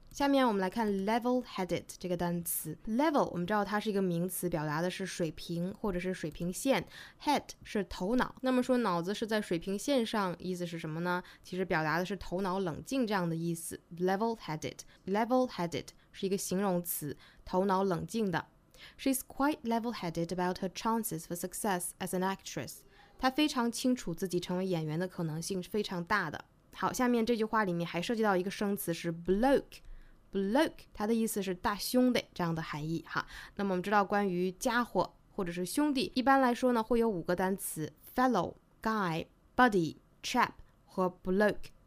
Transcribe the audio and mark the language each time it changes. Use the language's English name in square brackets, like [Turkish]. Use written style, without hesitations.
[Chinese] 下面我们来看 level-headed 这个单词。level 我们知道它是一个名词，表达的是水平或者是水平线， head 是头脑，那么说脑子是在水平线上意思是什么呢？其实表达的是头脑冷静这样的意思。level-headed level-headed 是一个形容词，头脑冷静的。 [English] She's quite level-headed about her chances for success as an actress. [Chinese] 她非常清楚自己成为演员的可能性是非常大的。好，下面这句话里面还涉及到一个生词是 blokeBloke 它的意思是大兄弟这样的含义哈。那么我们知道关于家伙或者是兄弟，一般来说呢会有五个单词 Fellow, Guy, Buddy, Chap 和 Bloke。